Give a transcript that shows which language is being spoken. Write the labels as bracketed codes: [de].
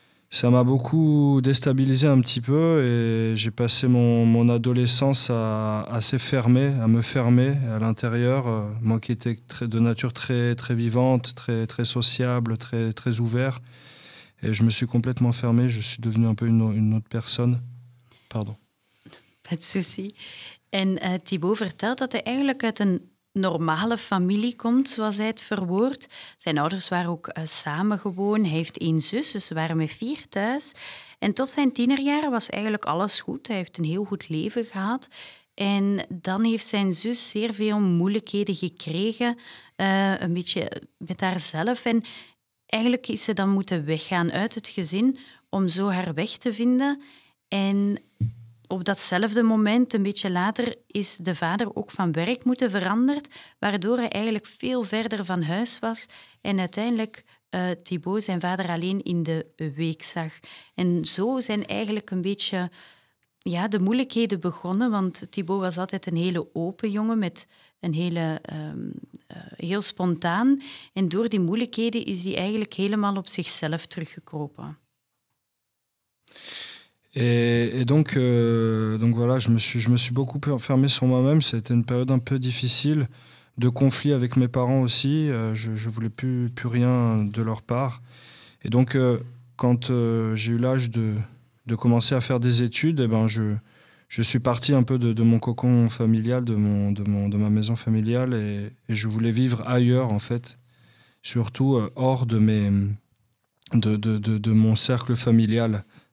[fr] ça m'a beaucoup déstabilisé un petit peu et j'ai passé mon adolescence à s'enfermer, à me fermer à l'intérieur. Moi qui étais très, de nature très, très vivante, très, très sociable, très, très ouvert. Et je me suis complètement fermé, je suis devenu un peu une autre personne. Pardon. Pas de souci. [nl] En Thibaut vertelt dat hij eigenlijk uit een normale familie komt, zoals hij het verwoordt. Zijn ouders waren ook samengewoon. Hij heeft één zus, dus ze waren met vier thuis. En tot zijn tienerjaren was eigenlijk alles goed. Hij heeft een heel goed leven gehad. En dan heeft zijn zus zeer veel moeilijkheden gekregen. Een beetje met haarzelf. En eigenlijk is ze dan moeten weggaan uit het gezin om zo haar weg te vinden. En op datzelfde moment, een beetje later, is de vader ook van werk moeten veranderen, waardoor hij eigenlijk veel verder van huis was en uiteindelijk Thibaut zijn vader alleen in de week zag. En zo zijn eigenlijk een beetje de moeilijkheden begonnen, want Thibaut was altijd een hele open jongen, met een hele heel spontaan. En door die moeilijkheden is hij eigenlijk helemaal op zichzelf teruggekropen. [fr] Et donc voilà, je me suis beaucoup enfermé sur moi-même. Ça a été une période un peu difficile, de conflit avec mes parents aussi. Je voulais plus rien de leur part. Et donc, quand j'ai eu l'âge de commencer à faire des études, je suis parti un peu de mon cocon familial, de ma maison familiale, et je voulais vivre ailleurs en fait, surtout hors de mon cercle familial.